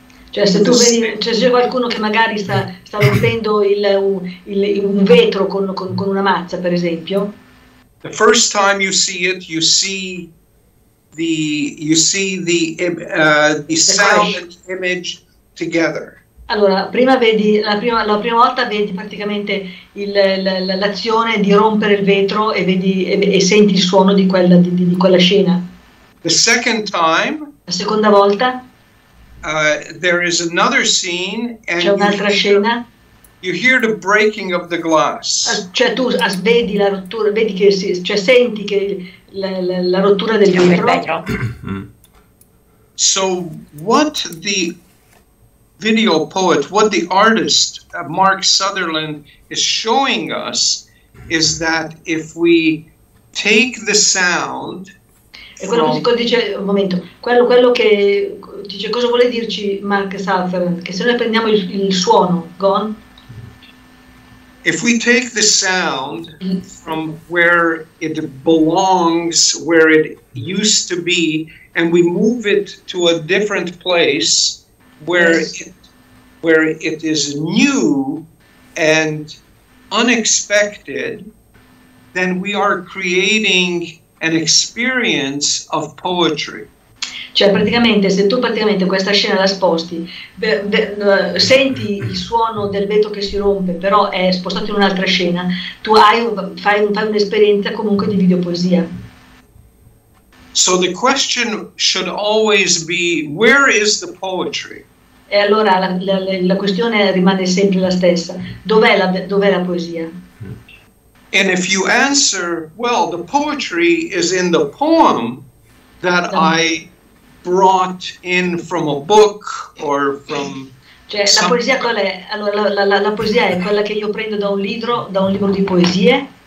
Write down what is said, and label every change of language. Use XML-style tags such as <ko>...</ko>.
<it>Cioè se qualcuno che magari sta rompendo un vetro con una mazza, per esempio.</it> <en>The first time you see it, you see the sound image together.</en> <it>Allora, la prima volta vedi praticamente l'azione di rompere il vetro e vedi e senti il suono di quella scena.</it> <en>The second time.</en> <it>La seconda volta.</it> <en>There is another scene. And</en> <it>c'è un'altra scena.</it> <en>You hear the breaking of the glass.</en> <it>Cioè tu vedi la rottura, vedi che si, cioè senti che la rottura del vetro.</it> <en>So what the video poet, what the artist Mark Sutherland is showing us is that if we take the sound.</en> <it>E quello che dice un momento. Quello che dice, cosa vuole dirci Mark Sutherland? Che se noi prendiamo il suono,</it> <en>gone. If we take the sound from where it belongs, where it used to be, and we move it to a different place where yes. where it is new and unexpected, then we are creating an experience of poetry.</en> <it>Cioè, praticamente, se tu praticamente questa scena la sposti, senti il suono del vetro che si rompe, però è spostato in un'altra scena, tu hai, fai un'esperienza comunque di videopoesia.</it> <en>So the question should always be, where is the poetry?</en> <it>E allora la questione rimane sempre la stessa. Dov'è la poesia?</it> <en>And if you answer, well, the poetry is in the poem that I brought in from a book or from...</en> <it>Cioè, la poesia qual è? Allora, la poesia è quella che io prendo da un libro di poesie?</it>